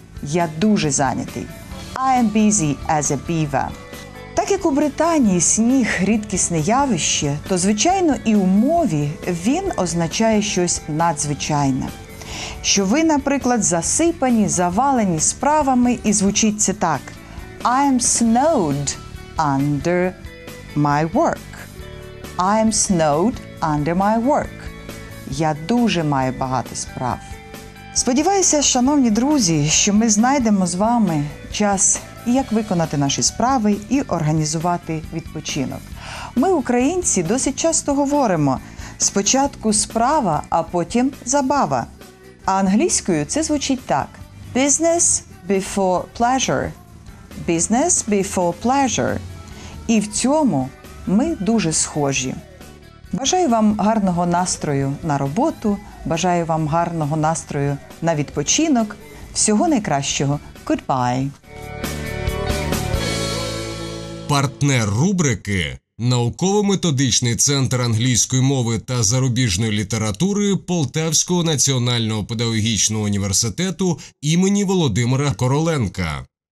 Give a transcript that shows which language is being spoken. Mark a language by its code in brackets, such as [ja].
[uk] Я дуже зайнятий. [en] I am busy as a beaver. [uk] Так як у Британії сніг – рідкісне явище, то, звичайно, і у мові він означає щось надзвичайне. Що ви, наприклад, засипані, завалені справами, і звучить це так. [en] I am snowed under my work. I am snowed under my work. [uk] Я дуже маю багато справ. Сподіваюся, шановні друзі, що ми знайдемо з вами час і як виконати наші справи, і організувати відпочинок. Ми, українці, досить часто говоримо «спочатку справа, а потім забава». А англійською це звучить так – «business [en] before pleasure. Business before pleasure. [uk] І в цьому ми дуже схожі. Бажаю вам гарного настрою на роботу, бажаю вам гарного настрою на відпочинок. Всього найкращого. Goodbye. Партнер рубрики – Науково-методичний центр англійської мови та зарубіжної літератури Полтавського національного педагогічного університету імені Володимира Короленка.